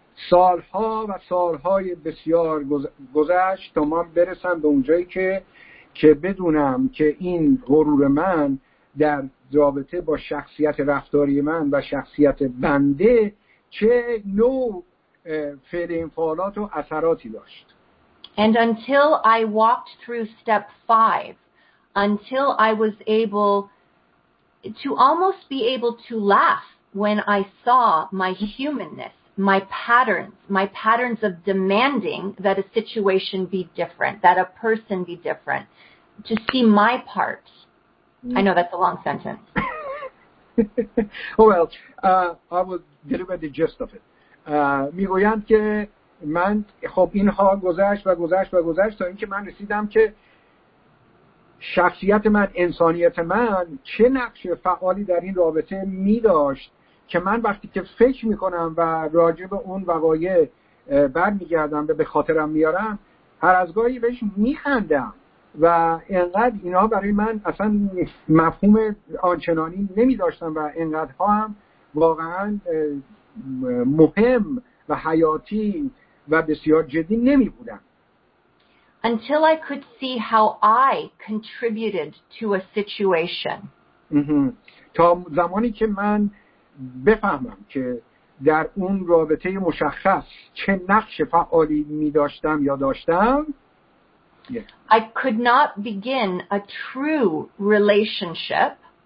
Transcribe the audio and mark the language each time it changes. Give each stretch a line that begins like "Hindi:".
Persian: سالها و سالهای بسیار گذشت تا من برسم به اونجایی که بدونم که این غرور من در رابطه با شخصیت رفتاری من و شخصیت بنده چه نوع فعل انفعالات و اثراتی داشت.
English: And until I walked through step 5, until I was able to almost be able to laugh when I saw my humanness, my patterns of demanding that a situation be different, that a person be different, to see my part. I know that's a long sentence. Well, I will deliver the gist of it.
Persian: میگویند که من خب اینها گذشت و گذشت و گذشت تا اینکه من رسیدم که شخصیت من، انسانیت من چه نقش فعالی در این رابطه می داشت که من وقتی که فکر می کنم و راجع به اون وقایع بر می گردم و به خاطرم میارم، هر از گاهی بهش می خندم و اینقدر اینا برای من اصلا مفهوم آنچنانی نمی داشتم و اینقدر ها هم واقعا مهم و حیاتی و بسیار جدی نمی بودم.
English: Until I could see how I contributed to a situation.
Persian: تا زمانی که من بفهمم که در اون رابطه مشخص چه نقش فعالی می داشتم یا داشتم.
English: I could not begin a true relationship.